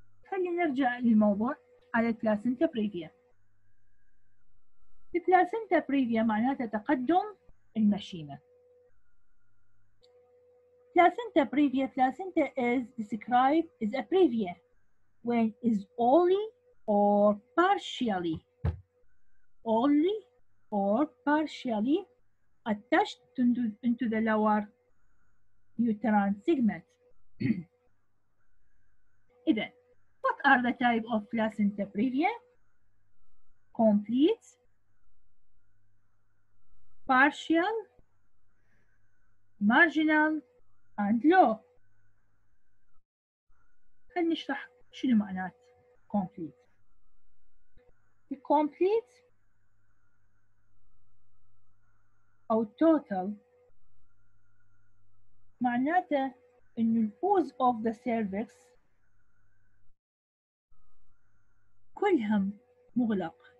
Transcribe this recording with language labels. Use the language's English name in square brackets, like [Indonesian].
[Arabic] خلينا نرجع للموضوع على البلاسنتا بريفيا. البلاسنتا بريفيا معناتها تقدم المشيمة. [English] Placenta previa placenta is described as a previa when is only or partially only or partially attached into the lower uterine segment. إذا what are the type of placenta previa? Complete, partial, marginal, and low. [Arabic] خل نشرح شنو معنات complete. [English] The complete [Arabic] أو total معناته إن الأوز [English] of the cervix [Arabic] كلهم مغلق.